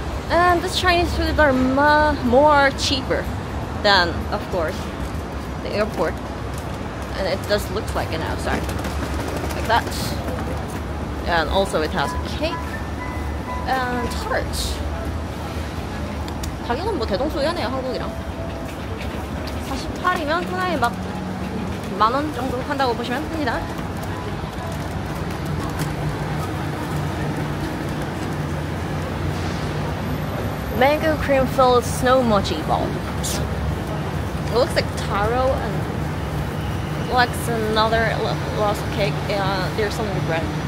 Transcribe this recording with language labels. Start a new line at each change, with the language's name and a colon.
English: And this Chinese food are more cheaper than, of course, the airport. And it does look like an outside, like that. And also it has a cake and tarts.
Korean: 자기는 뭐 대동소이하네요, 한국이랑. 48이면 하나에 막 만 원 정도 한다고 보시면 됩니다.
English: 망고 크림 필드 스노우 모찌 볼. It looks like taro and like another lost cake and there's some bread.